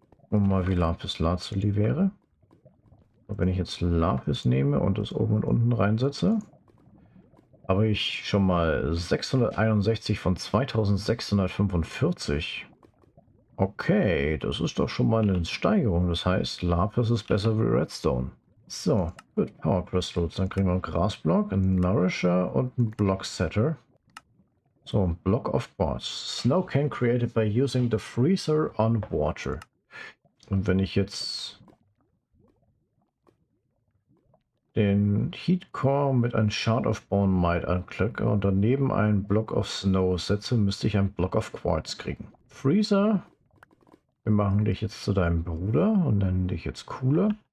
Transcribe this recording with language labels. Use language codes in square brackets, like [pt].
[de] Und mal wie Lapis Lazuli wäre. Und wenn ich jetzt Lapis nehme und das oben und unten reinsetze, habe ich schon mal 661 von 2645. Okay, das ist doch schon mal eine Steigerung. Das heißt, Lapis ist besser wie Redstone. So, gut, Power Crystals. Dann kriegen wir einen Grasblock, einen Nourisher und einen Block Setter. So, ein Block of Boss. [en] Snow can created by using the freezer on water. [de] Und wenn ich jetzt den Heat Core mit einem Shard of Bone Might anklicke und daneben einen Block of Snow setze, müsste ich einen Block of Quartz kriegen. Freezer, wir machen dich jetzt zu deinem Bruder und nennen dich jetzt Cooler.